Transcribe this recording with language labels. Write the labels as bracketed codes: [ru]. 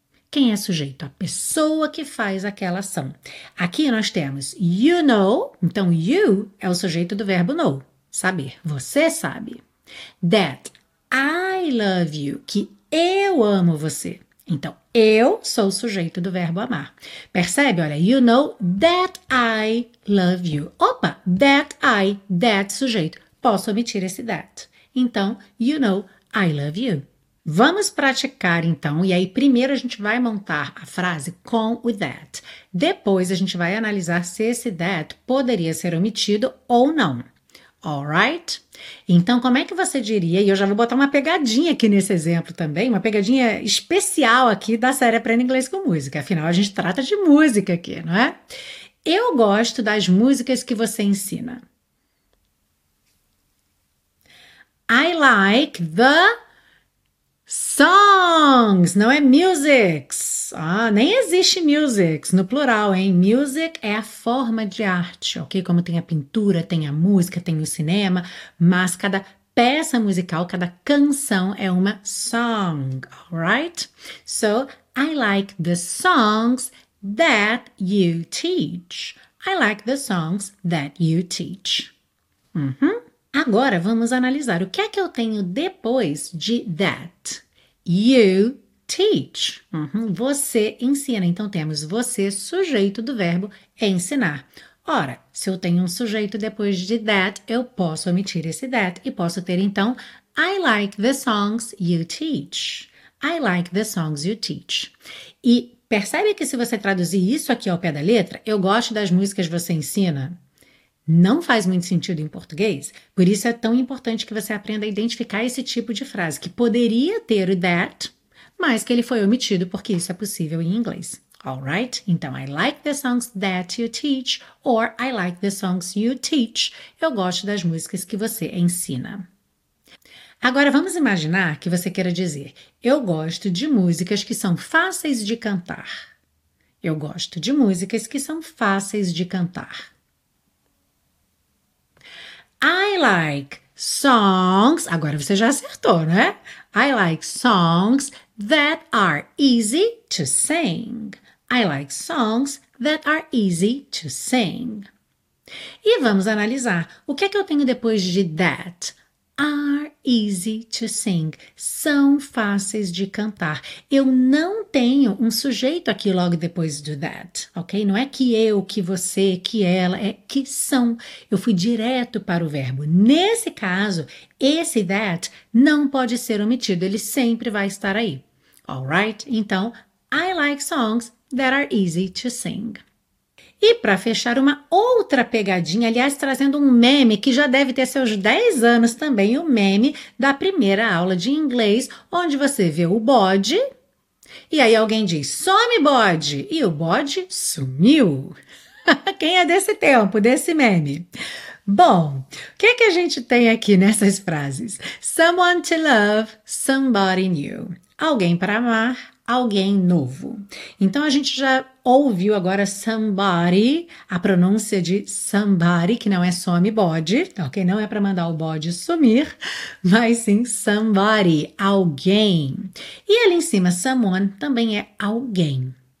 [pt] Quem é sujeito? A pessoa que faz aquela ação. Aqui nós temos [en] you know, [pt] então you é o sujeito do verbo know, saber. Você sabe. [en] That, I love you, [pt] que eu amo você. Então, eu sou o sujeito do verbo amar. Percebe? [en] Olha, you know that I love you. Opa, that I, that sujeito. [pt] Posso omitir esse [en] that. Então, you know I love you. [pt] Vamos praticar então, e aí primeiro a gente vai montar a frase com o that. Depois a gente vai analisar se esse that poderia ser omitido ou não. [en] All right? [pt] Então, como é que você diria? E eu já vou botar uma pegadinha aqui nesse exemplo também, uma pegadinha especial aqui da série Aprenda Inglês com Música. Afinal, a gente trata de música aqui, não é? Eu gosto das músicas que você ensina. [en] I like the songs, [pt] não é [en] musics. [pt] Ah, nem existe musics no plural, hein? Music é a forma de arte, ok? Como tem a pintura, tem a música, tem o cinema, mas cada peça musical, cada canção é uma song, [en] alright? So, I like the songs that you teach. I like the songs that you teach. [pt] Agora vamos analisar o que é que eu tenho depois de that. [en] You teach. [pt] Você ensina. Então temos você, sujeito do verbo ensinar. Ora, se eu tenho um sujeito depois de that, eu posso omitir esse that e posso ter então [en] I like the songs you teach. I like the songs you teach. [pt] E percebe que se você traduzir isso aqui ao pé da letra, eu gosto das músicas que você ensina. Não faz muito sentido em português, por isso é tão importante que você aprenda a identificar esse tipo de frase, que poderia ter o that, mas que ele foi omitido, porque isso é possível em inglês. [en] All right? [pt] Então, [en] I like the songs that you teach, or I like the songs you teach. [pt] Eu gosto das músicas que você ensina. Agora, vamos imaginar que você queira dizer: eu gosto de músicas que são fáceis de cantar. Eu gosto de músicas que são fáceis de cantar. [en] I like songs. [pt] Agora você já acertou, né? [en] I like songs that are easy to sing. I like songs that are easy to sing. [pt] E vamos analisar. O que é que eu tenho depois de that? [en] Are easy to sing. [pt] São fáceis de cantar. Eu não tenho um sujeito aqui logo depois do that, ok? Não é que eu, que você, que ela, é que são. Eu fui direto para o verbo. Nesse caso, esse that não pode ser omitido. Ele sempre vai estar aí. [en] All right? [pt] Então, [en] I like songs that are easy to sing. [pt] E para fechar, uma outra pegadinha, aliás, trazendo um meme que já deve ter seus 10 anos também, o meme da primeira aula de inglês, onde você vê o bode e aí alguém diz: some bode! E o bode sumiu. Quem é desse tempo, desse meme? Bom, o que é que a gente tem aqui nessas frases? [en] Someone to love, somebody new. [pt] Alguém para amar, alguém novo. Então a gente já ouviu agora somebody, a pronúncia de somebody, que não é some body, ok? Não é para mandar o body sumir, mas sim somebody, alguém. E ali em cima, someone também é alguém.